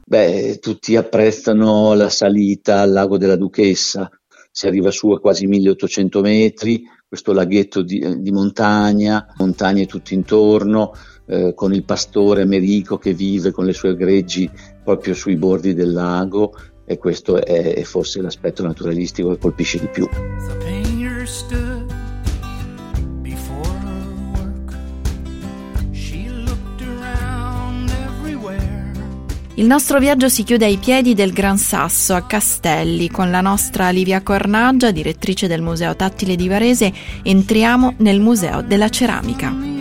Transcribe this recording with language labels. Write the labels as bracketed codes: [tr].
[it] Beh, tutti apprezzano la salita al Lago della Duchessa, si arriva su a quasi 1800 metri, questo laghetto di montagna, montagne tutto intorno, con il pastore Americo che vive con le sue greggi proprio sui bordi del lago, e questo è forse l'aspetto naturalistico che colpisce di più. [en] The painter stood before her work. She looked around everywhere. [it] Il nostro viaggio si chiude ai piedi del Gran Sasso, a Castelli. Con la nostra Livia Cornaggia, direttrice del Museo Tattile di Varese, entriamo nel Museo della Ceramica.